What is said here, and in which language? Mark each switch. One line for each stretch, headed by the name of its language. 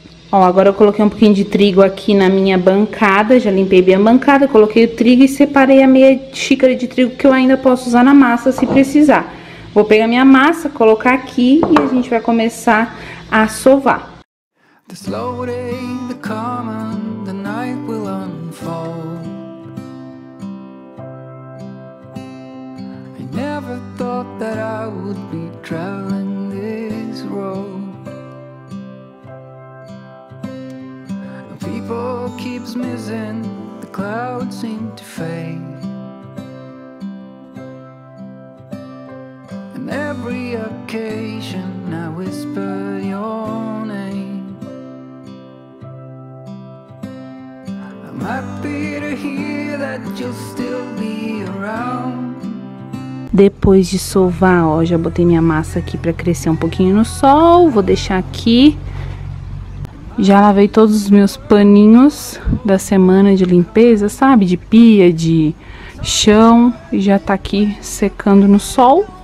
Portuguese: Ó, agora eu coloquei um pouquinho de trigo aqui na minha bancada, já limpei bem a bancada, coloquei o trigo e separei a meia xícara de trigo que eu ainda posso usar na massa se precisar. Vou pegar minha massa, colocar aqui e a gente vai começar a sovar.
English: The slow day, the calm, and the night will unfold. I never thought that I would be traveling this road. People keeps missing, the clouds seem to fade. And every occasion I whisper your name. I'm happy to hear that you'll still be around.
Portuguese: Depois de sovar, ó, já botei minha massa aqui pra crescer um pouquinho no sol. Vou deixar aqui. Já lavei todos os meus paninhos da semana de limpeza, sabe? De pia, de chão. Já tá aqui secando no sol.